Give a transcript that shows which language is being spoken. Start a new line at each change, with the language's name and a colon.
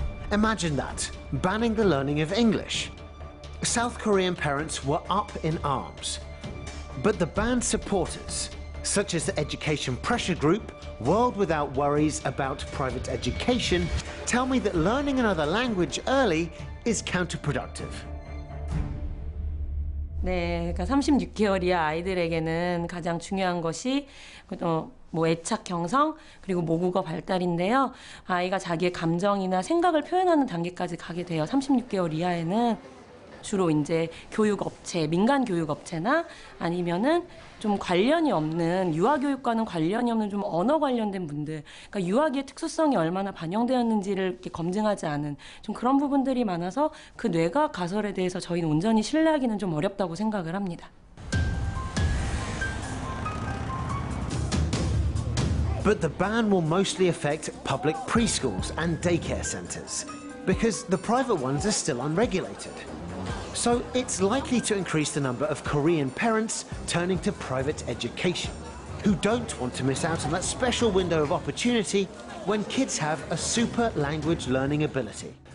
English: Imagine that, banning the learning of English. South Korean parents were up in arms. But the ban's supporters, such as the education pressure group, World Without Worries About Private Education, tell me that learning another language early is counterproductive.
Korean: 네, 그러니까 36개월이야 아이들에게는 가장 중요한 것이 뭐 애착 형성 그리고 모국어 발달인데요. 아이가 자기의 감정이나 생각을 표현하는 단계까지 가게 돼요. 36개월 이하에는 주로 이제 교육업체, 민간 교육업체나 아니면은 좀 관련이 없는 유아교육과는 관련이 없는 좀 언어 관련된 분들, 그러니까 유아기의 특수성이 얼마나 반영되었는지를 이렇게 검증하지 않은 좀 그런 부분들이 많아서 그 뇌과 가설에 대해서 저희는 온전히 신뢰하기는 좀 어렵다고 생각을 합니다.
English: But the ban will mostly affect public preschools and daycare centers because the private ones are still unregulated. So it's likely to increase the number of Korean parents turning to private education, who don't want to miss out on that special window of opportunity when kids have a super language learning ability.